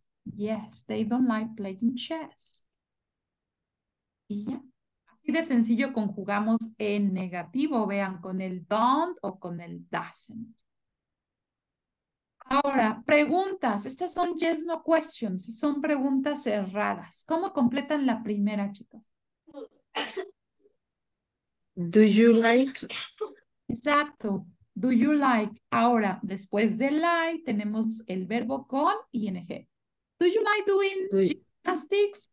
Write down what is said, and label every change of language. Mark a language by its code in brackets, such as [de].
[en] Yes, they don't like playing chess. [es] Y ya. Así de sencillo conjugamos en negativo, vean, con el don't o con el doesn't. Ahora, preguntas. Estas son [en] yes, no questions. [es] Son preguntas cerradas. ¿Cómo completan la primera, chicos? [en] Do you like? [es] Exacto. [en] Do you like? [es] Ahora, después de like, tenemos el verbo con ing. [en] Do you like doing gymnastics?